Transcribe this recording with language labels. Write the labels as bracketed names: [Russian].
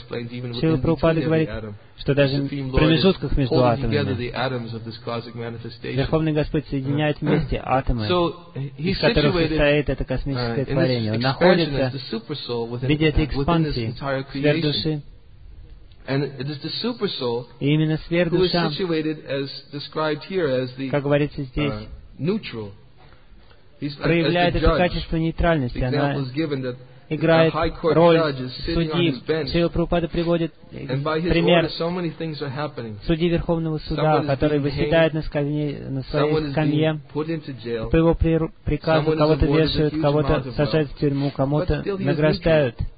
[Russian] Шрила Прабхупада говорит, что даже в промежутках между атомами Верховный Господь соединяет вместе атомы, из которых состоит это космическое творение. Он находится в виде этой экспансии сверхдуши. [English] And it is the super soul [Russian] именно сверхдуша, [English] who is situated as described here as the, [Russian] как говорится здесь, [English] neutral. He's, [Russian] проявляет это качество нейтральности. Она играет роль судьи. Шрила Прабхупада приводит пример судьи Верховного Суда, который выседает на своей скамье. По его приказу кого-то вешают, кого-то сажают в тюрьму, кому-то награждают.